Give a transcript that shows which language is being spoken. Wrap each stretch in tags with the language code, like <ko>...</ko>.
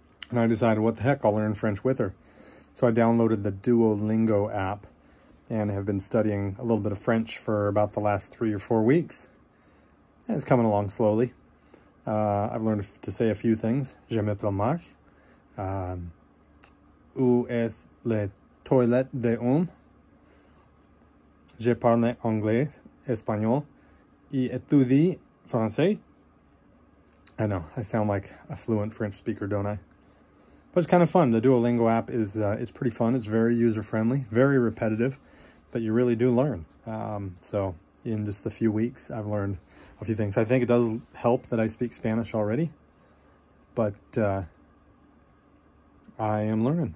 <en>And I decided, what the heck, I'll learn French with her. So I downloaded the Duolingo app and have been studying a little bit of French for about the last 3 or 4 weeks. And it's coming along slowly. I've learned to say a few things.</en> <fr>Je m'appelle Marc. Où est la toilette de homme? Je parle anglais, espagnol, et étudie français.</fr> <en>I know, I sound like a fluent French speaker, don't I? But it's kind of fun. The Duolingo app is it's pretty fun. It's very user-friendly, very repetitive, but you really do learn. So in just a few weeks, I've learned a few things. I think it does help that I speak Spanish already, but I am learning.</en>